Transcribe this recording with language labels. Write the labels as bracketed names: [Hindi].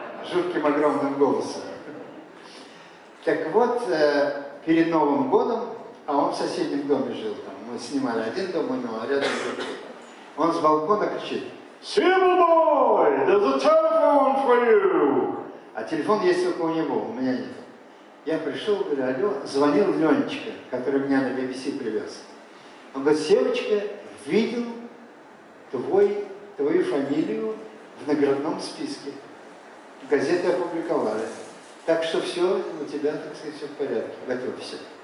[Russian] Жутким огромным голосом. Так вот, перед Новым годом, а он в соседнем доме жил там, мы снимали один дом у него, а рядом другой. Он с балкона кричит: [English] «Сибл бой, there's a telephone for you!» [Russian] А телефон есть только у него, у меня нет. Я пришел, говорю: «Алло», звонил Ленечка, который меня на BBC привез. Он говорит: «Севочка, видел твою фамилию в наградном списке. Газеты опубликовали. Так что все, у тебя, так сказать, все в порядке. Готовься».